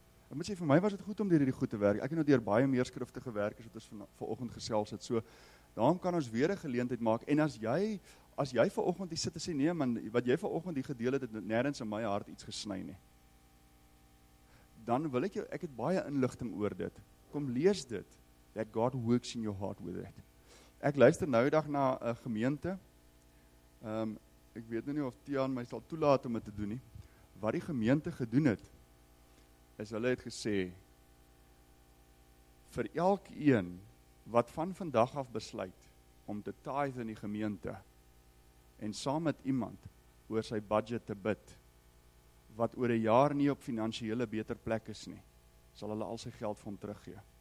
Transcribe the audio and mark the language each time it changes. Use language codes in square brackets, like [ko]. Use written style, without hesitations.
[af] Ek moet sê vir my was dit goed om deur hierdie goed te werk. Ek het nou deur baie meer skrifte gewerk as wat ons vanoggend gesels het. So daarom kan ons weer 'n geleentheid maak en as jy vanoggend hier sit en sê nee man, wat jy vanoggend hier gedeel het, het nêrens in my hart iets gesny nie. Dan wil ek jou, ek het baie inligting oor dit. Kom lees dit. [en] That God works in your heart with it. [af] Ek luister nou die dag na 'n gemeente. Ek weet nou nie of Tiaan my sal toelaat om dit te doen nie. Wat die gemeente gedoen het, is hulle het gesê, vir elkeen wat van vandag af besluit om te tithe in die gemeente, en saam met iemand oor sy budget te bid, wat oor 'n jaar nie op finansiële beter plek is nie, sal hulle al sy geld vir hom teruggee.